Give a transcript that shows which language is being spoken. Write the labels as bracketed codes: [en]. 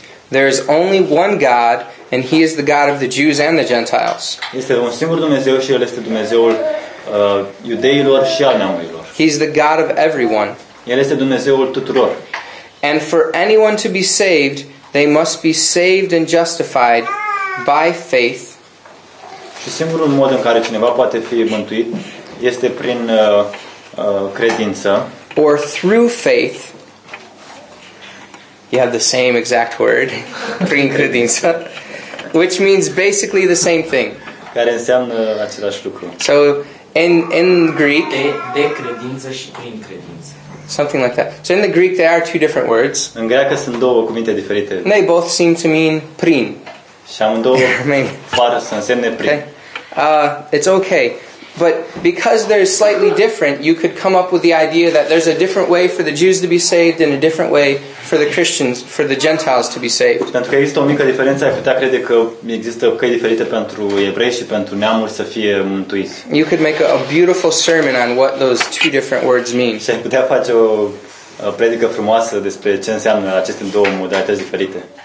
[en] There is only one God and he is the God of the Jews and the Gentiles. [ro] Este un singur Dumnezeu și el este Dumnezeul iudeilor și al neamurilor. [en] He's the God of everyone. [ro] El este Dumnezeul tuturor. [en] And for anyone to be saved, they must be saved and justified by faith. [ro] Și singurul mod în care cineva poate fi mântuit este prin credință. [en] Or through faith. You have the same exact word, [ro] prin credință, [en] which means basically the same thing. [ro] care înseamnă același lucru. [en] So in Greek, [ro] de credință și prin credință. [en] Something like that. So in the Greek there are two different words. [ro] În greacă sunt două cuvinte diferite. [en] And they both seem to mean prin. [ro] Și amândouă par să însemne prin. [en] Okay. It's okay. But because they're slightly different, you could come up with the idea that there's a different way for the Jews to be saved and a different way for the Christians, for the Gentiles to be saved. [ro] Pentru că există o mică diferență, ai putea crede că există căi diferite pentru evrei și pentru neamuri să fie mântuiți. [en] You could make a beautiful sermon on what those two different words mean. [ro] Și ai putea face o predică frumoasă despre ce înseamnă aceste două modalități diferite.